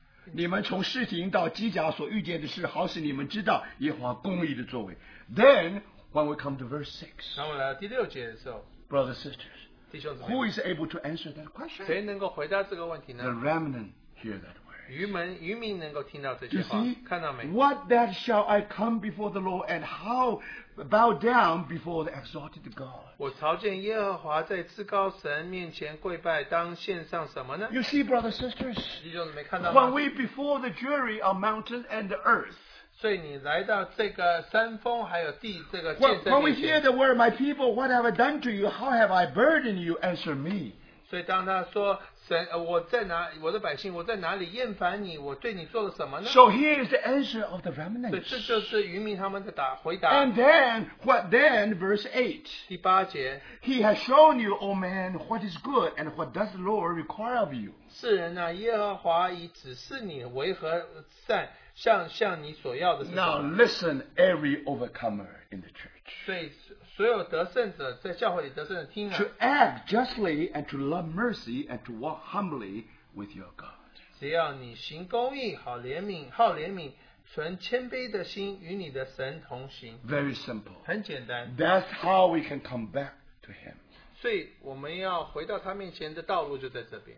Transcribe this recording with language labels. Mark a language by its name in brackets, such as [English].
[Chinese] 你们从士廷到基甲所遇见的事, 好使你们知道耶和华公义的作为。 [English] Then, when we come to verse 6, [Chinese] 然后来到第六节的时候, [English] brothers and sisters, [Chinese] 弟兄姊妹, [English] who is able to answer that question? [Chinese] 谁能够回答这个问题呢? [English] The remnant hear that word. [Chinese] 渔民能够听到这句话, [English] you see, [Chinese] 看到没? [English] What that shall I come before the Lord and how bow down before the exalted God? [Chinese] 我朝见耶和华在至高神面前跪拜, 当献上什么呢? [English] You see, brothers and sisters, [Chinese] 弟兄姊妹看到吗? [English] When we before the jury of mountain and the earth, [Chinese] 所以你来到这个山峰还有地这个见证面前, [English] when we hear the word, my people, what have I done to you? How have I burdened you? Answer me. [Chinese] 所以当他说, 神, 我在哪, 我的百姓, 我在哪里厌烦你, 我对你做了什么呢? [English] So here is the answer of the remnants. [Chinese] 对, 这就是渔民他们的答, 回答。 [English] And then, what then, verse 8. [Chinese] 第八节, [English] He has shown you, O man, what is good, and what does the Lord require of you? [Chinese] 世人啊, 耶和华已指示你为何善, 像, 像你所要的是什么? [English] Now listen, every overcomer in the church. [Chinese] 对, [English] to act justly and to love mercy and to walk humbly with your God. [Chinese] 只要你行公义, 好怜悯, 好怜悯, 存谦卑的心, 与你的神同行, [English] very simple. [Chinese] 很简单, [English] that's how we can come back to Him. [Chinese] 所以我们要回到他面前的道路就在这边。